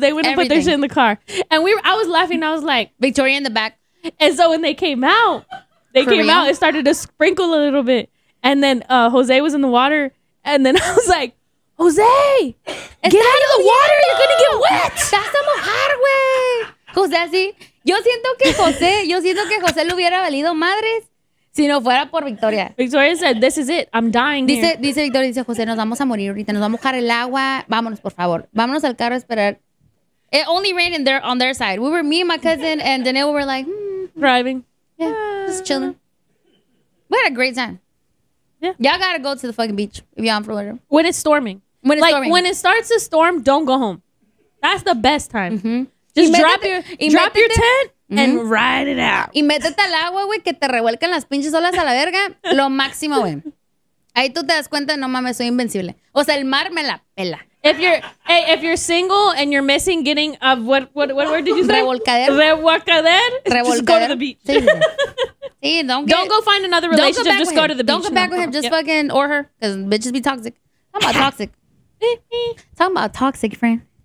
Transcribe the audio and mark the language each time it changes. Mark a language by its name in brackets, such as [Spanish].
[English] They went and put their shit in the car. And I was laughing. I was like, Victoria in the back. And so when they came out, it started to sprinkle a little bit. And then Jose was in the water. And then I was like, Jose, get out of the water. You're going to get wet. That's a [Spanish] mojar, güey. Jose, así. Yo siento que José lo hubiera valido madres si no fuera por Victoria. [English] Victoria said, this is it. I'm dying. [Spanish] Dice Victoria, dice José, nos vamos a morir ahorita. Nos vamos a mojar el agua. Vámonos, por favor. Vámonos al carro a esperar. [English] It only rained on their side. We were, me and my cousin and Danielle were like, driving. Yeah, just chilling. We had a great time. Yeah. Y'all gotta go to the fucking beach if y'all in Florida. When it's storming. When it's storming. When it starts to storm, don't go home. That's the best time. Just drop your tent and ride it out. [Spanish] Y métete al agua, güey, que te revuelcan las pinches olas a la verga. Lo máximo, güey. Ahí tú te das cuenta, no mames, soy invencible. O sea, el mar me la pela. [English] If you're single and you're missing getting a what did you say? [Spanish] Revolcadero. [English] Just go to the beach. [Spanish] Sí, [English] don't go find another relationship. Just go to the beach. Don't come back with him. Just fucking or her, because bitches be toxic. Talking about toxic, friend.